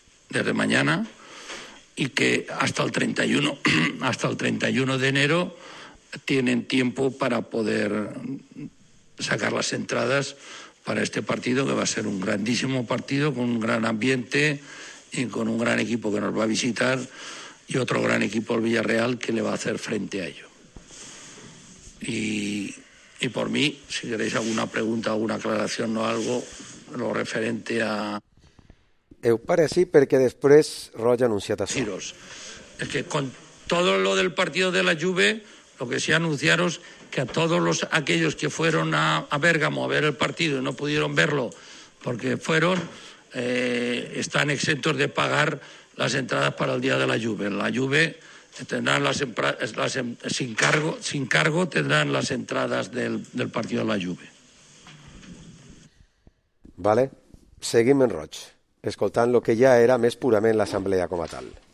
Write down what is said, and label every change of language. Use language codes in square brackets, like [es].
[es] Desde mañana, y que hasta el 31 de enero tienen tiempo para poder sacar las entradas para este partido, que va a ser un grandísimo partido con un gran ambiente y con un gran equipo que nos va a visitar y otro gran equipo, el Villarreal, que le va a hacer frente a ello. Y por mí, si queréis alguna pregunta, alguna aclaración o algo, lo referente a... [ca] Eu pare así perquè després Roig ha anunciat això. [es] Deciros, es que con todo lo del partido de la Juve, lo que sí anunciaros, que a todos los aquellos que fueron a Bérgamo a ver el partido y no pudieron verlo porque fueron, están exentos de pagar las entradas para el día de la Juve. La Juve tendrán sin cargo tendrán las entradas del partido de la Juve. [ca] Vale, seguim en Roig, escoltant lo que ja era més purament l'assemblea com a tal.